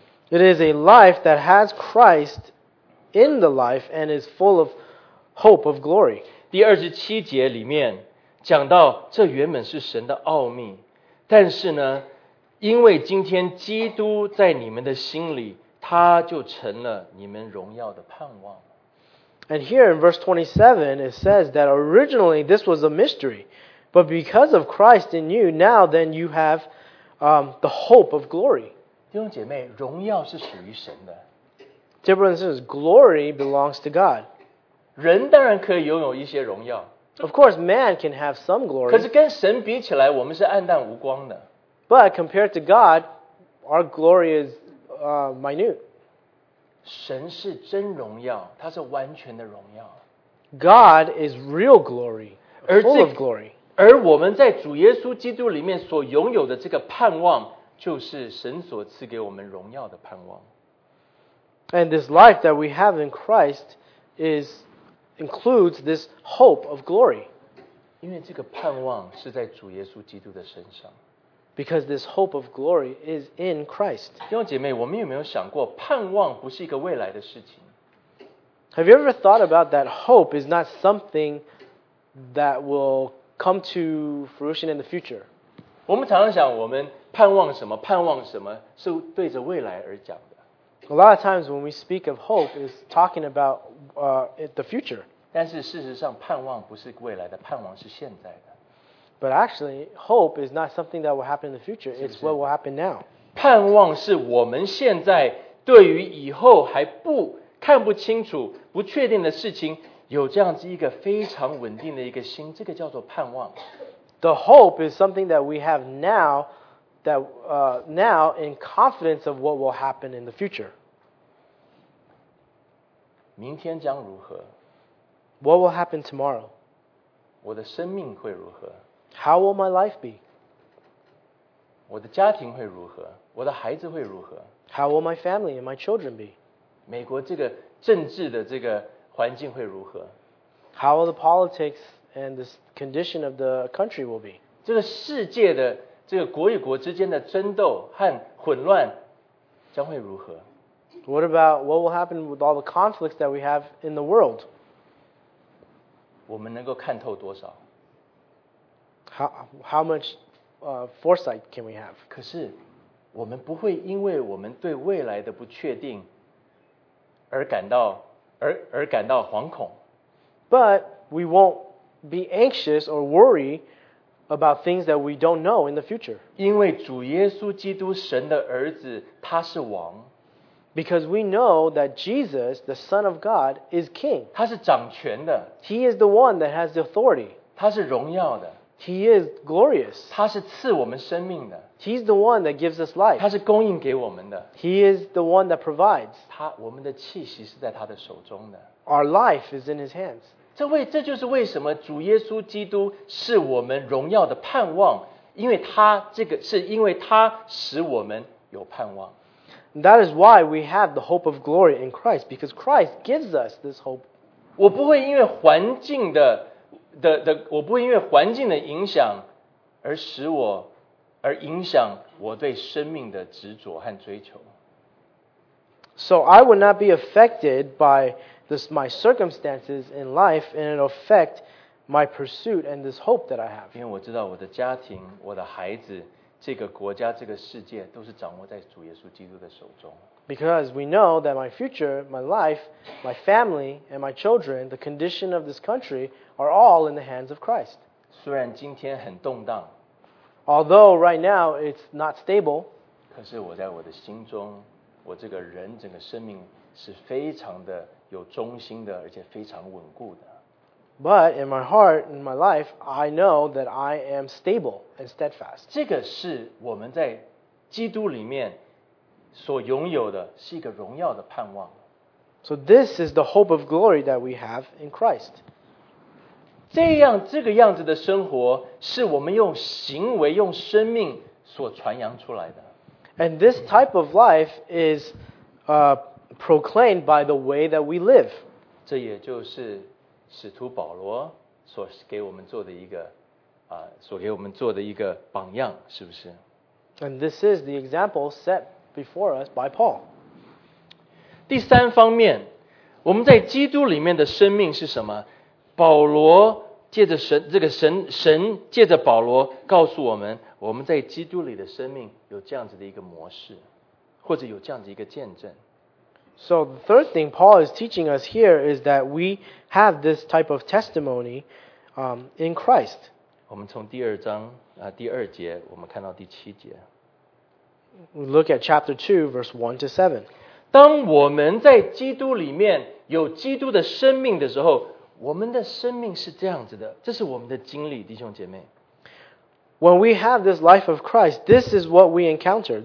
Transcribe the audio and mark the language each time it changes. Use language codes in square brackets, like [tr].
[en] It is a life that has Christ in the life and is full of hope of glory. [zh] 第二十七节里面讲到，这原本是神的奥秘，但是呢，因为今天基督在你们的心里，他就成了你们荣耀的盼望。 [en] And here in verse 27, it says that originally this was a mystery, but because of Christ in you, now then you have the hope of glory. [zh] 弟兄姐妹，荣耀是属于神的。 [en] Dear brothers and sisters, glory belongs to God. [zh] 人当然可以拥有一些荣耀。 [en] Of course, man can have some glory. [zh] 可是跟神比起来，我们是暗淡无光的。 [en] But compared to God, our glory is minute. [zh] 神是真荣耀，他是完全的荣耀。 [en] God is real glory, full of glory. [zh] 而我们在主耶稣基督里面所拥有的这个盼望，就是神所赐给我们荣耀的盼望。 [en] And this life that we have in Christ includes this hope of glory. [zh] 因为这个盼望是在主耶稣基督的身上。 [en] Because this hope of glory is in Christ. [zh] 弟兄姐妹，我们有没有想过，盼望不是一个未来的事情？ [en] Have you ever thought about that hope is not something that will come to fruition in the future? [zh] 我们常常想，我们盼望什么？盼望什么？是对着未来而讲的。 [en] A lot of times when we speak of hope, it's talking about the future. [zh] 但是事实上，盼望不是未来的，盼望是现在的。 [en] But actually, hope is not something that will happen in the future. It's what will happen now. [zh] 盼望是我们现在对于以后还不看不清楚、不确定的事情，有这样子一个非常稳定的一个心，这个叫做盼望。 [en] The hope is something that we have now, that now in confidence of what will happen in the future. [zh] 明天将如何？ [en] What will happen tomorrow? [zh] 我的生命会如何？ [en] How will my life be? [zh] 我的家庭会如何？我的孩子会如何？ [en] How will my family and my children be? [zh] 美国这个政治的这个环境会如何？ [en] How will the politics and the condition of the country will be? [zh] 这个世界的这个国与国之间的争斗和混乱将会如何？ [en] What will happen with all the conflicts that we have in the world? [zh] 我们能够看透多少？ [en] How much foresight can we have? [zh] 可是我们不会因为我们对未来的不确定而感到惶恐。 [en] But we won't be anxious or worry about things that we don't know in the future. [zh] 因为主耶稣基督神的儿子他是王。 [en] Because we know that Jesus, the Son of God, is King. [zh] 他是掌权的。 [en] He is the one that has the authority. [zh] 他是荣耀的。 [en] He is glorious. [zh] 他是赐我们生命的。 [en] He's the one that gives us life. [zh] 他是供应给我们的。 [en] He is the one that provides. [zh] 他我们的气息是在他的手中的。 [en] Our life is in his hands. [zh] 这就是为什么主耶稣基督是我们荣耀的盼望，因为他这个是因为他使我们有盼望。 [en] That is why we have the hope of glory in Christ, because Christ gives us this hope. [zh] 我不会因为环境的我不会因为环境的影响而影响我对生命的执着和追求。 [en] So I would not be affected by this, my circumstances in life and it affect my pursuit and this hope that I have. [zh] 因为我知道我的家庭、我的孩子、这个国家、这个世界都是掌握在主耶稣基督的手中。 [en] Because we know that my future, my life, my family, and my children, the condition of this country, are all in the hands of Christ. [zh] 虽然今天很动荡， [en] although right now it's not stable, [zh] 可是我在我的心中，我这个人整个生命是非常的有忠心的，而且非常稳固的。 [en] But in my heart, in my life, I know that I am stable and steadfast. [zh] 这个是我们在基督里面所拥有的，是一个荣耀的盼望。 [en] So this is the hope of glory that we have in Christ. [zh] 这个样子的生活是我们用行为用生命所传扬出来的。 [en] And this type of life is proclaimed by the way that we live. [zh] 这也就是使徒保罗所给我们做的一个所给我们做的一个榜样，是不是？ [en] And this is the example set before us by Paul. [zh] 第三方面，我们在基督里面的生命是什么？保罗借着神，这个神借着保罗告诉我们，我们在基督里的生命有这样子的一个模式，或者有这样子一个见证。 [en] So the third thing Paul is teaching us here is that we have this type of testimony in Christ. [zh] 我们从第二章第二节我们看到第七节。 [en] We look at chapter 2 verse 1 to 7. [zh] 当我们在基督里面有基督的生命的时候，我们的生命是这样子的，这是我们的经历，弟兄姐妹。 [en] When we have this life of Christ, this is what we encounter.